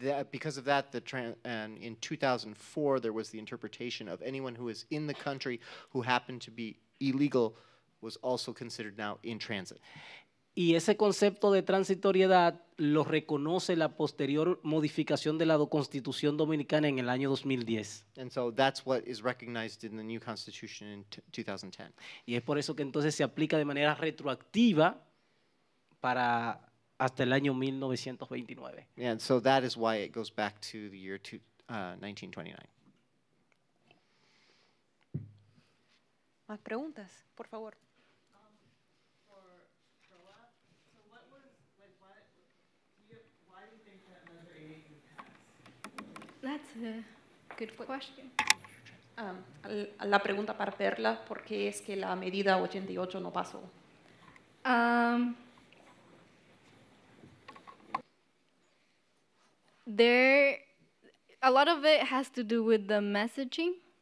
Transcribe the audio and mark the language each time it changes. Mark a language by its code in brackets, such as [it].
[en] Because of that, and in 2004, there was the interpretation of anyone who is in the country who happened to be illegal was also considered now in transit. [es] Y ese concepto de transitoriedad lo reconoce la posterior modificación de la Constitución Dominicana en el año 2010. [en] And so that's what is recognized in the new constitution in 2010. [es] Y es por eso que entonces se aplica de manera retroactiva para hasta el año 1929. [en] And so that is why it goes back to the year 1929. [es] Más preguntas, por favor. [en] That's a good question. [es] La pregunta para Perla, ¿por qué es que la medida 88 no pasó? [en] A lot of it has to do with the messaging.